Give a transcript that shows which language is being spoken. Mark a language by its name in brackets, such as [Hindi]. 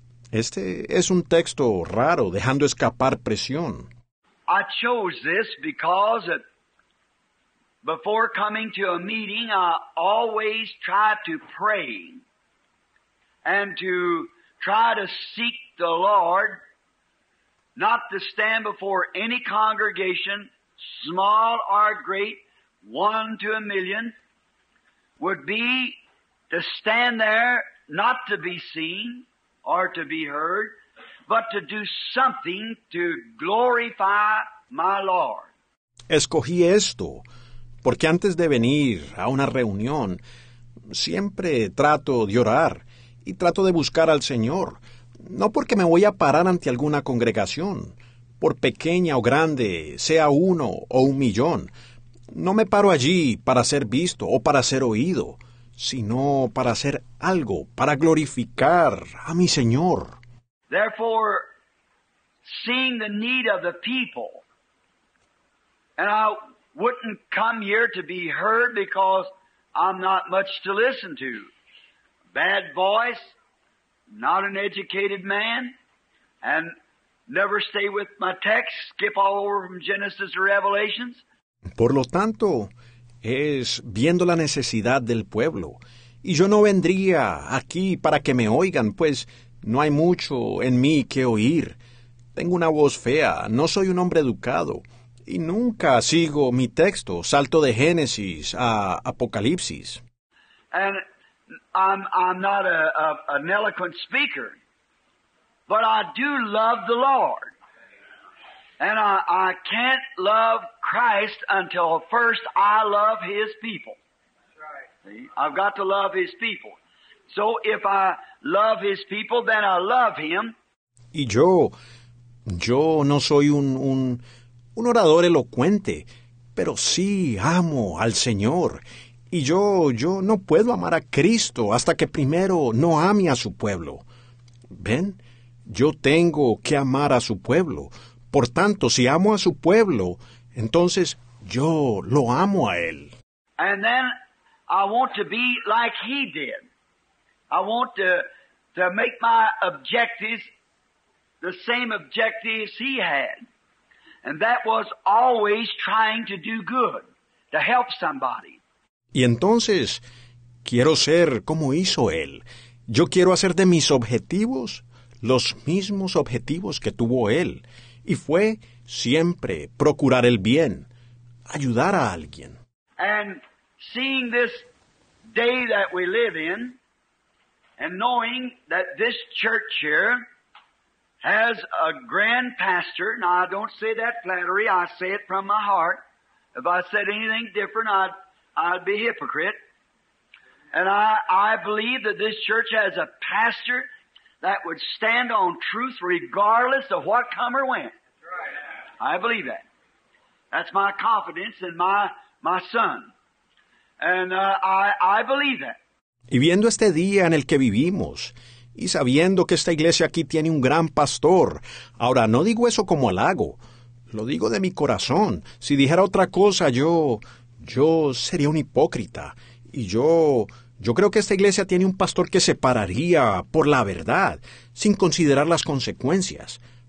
[Spanish] Este es un texto raro, dejando escapar presión. [English] I chose this because before coming to a meeting, I always try to pray and to try to seek the Lord, not to stand before any congregation, small or great, 1 to 1,000,000, would be to stand there not to be seen or to be heard, but to do something to glorify my Lord. [Spanish] Escogí esto porque antes de venir a una reunión, siempre trato de orar y trato de buscar al Señor. No porque me voy a parar ante alguna congregación, por pequeña o grande, sea uno o un millón. No me paro allí para ser visto o para ser oído, sino para hacer algo, para glorificar a mi Señor. [English] Therefore, seeing the need of the people, and I wouldn't come here to be heard because I'm not much to listen to. Bad voice, not an educated man, and never stay with my text, skip all over from Genesis to Revelations. [Spanish] Por lo tanto, es viendo la necesidad del pueblo. Y yo no vendría aquí para que me oigan, pues no hay mucho en mí que oír. Tengo una voz fea, no soy un hombre educado, y nunca sigo mi texto, salto de Génesis a Apocalipsis. [English] And I'm not an eloquent speaker, but I do love the Lord. And I can't love Christ until first I love His people. That's right. See? I've got to love His people. So if I love His people, then I love Him. [Spanish] Y yo no soy un orador elocuente, pero sí amo al Señor. Y yo no puedo amar a Cristo hasta que primero no ame a su pueblo. ¿Ven? Yo tengo que amar a su pueblo. Por tanto, si amo a su pueblo, entonces yo lo amo a él. [English] And then I want to be like he did. I want to make my objectives the same objectives he had. And that was always trying to do good, to help somebody. [Spanish] Y entonces quiero ser como hizo él. Yo quiero hacer de mis objetivos los mismos objetivos que tuvo él. Y fue siempre procurar el bien, ayudar a alguien. [English] And seeing this day that we live in, and knowing that this church here has a grand pastor, now I don't say that flattery, I say it from my heart. If I said anything different, I'd be a hypocrite. And I believe that this church has a pastor that would stand on truth regardless of what come or went. I believe that. That's my confidence in my son. And I believe that. [Spanish] Y viendo este día en el que vivimos, y sabiendo que esta iglesia aquí tiene un gran pastor, ahora no digo eso como halago, lo digo de mi corazón. Si dijera otra cosa, yo sería un hipócrita. Y yo creo que esta iglesia tiene un pastor que se pararía por la verdad, sin considerar las consecuencias.